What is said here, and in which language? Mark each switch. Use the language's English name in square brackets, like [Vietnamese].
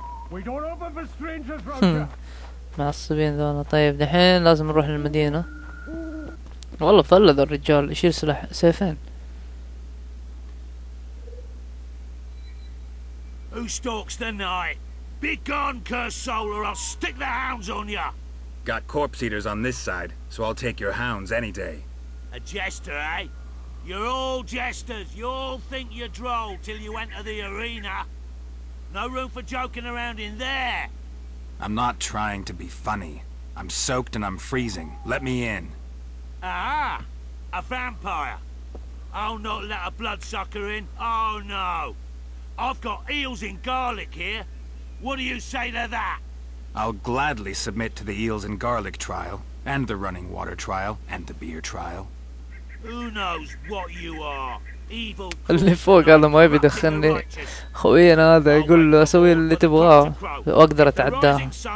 [English] We don't open for strangers, Roger. [Arabic] معصبين ذولا. طيب دحين لازم نروح للمدينة. والله فله ذا الرجال. يشيل سلاح سيفين. [English] Who stalks the night? Be gone, cursed soul, or I'll stick the hounds on ya. Got corpse eaters on this side, so I'll take your hounds any day. A jester, eh? You're all jesters. You all think you're droll till you enter the arena. No room for joking around in there. I'm not trying to be funny. I'm soaked and I'm freezing. Let me in. Ah, a vampire. I'll not let a bloodsucker in. Oh no. I've got eels in garlic here. What do you say to that? I'll gladly submit to the eels in garlic trial, and the running water trial, and the beer trial. Who knows what you are? [Arabic] اللي فوق هذا ما يبي يدخلني. خوينا هذا يقول له اسوي اللي تبغاه واقدر اتعداه.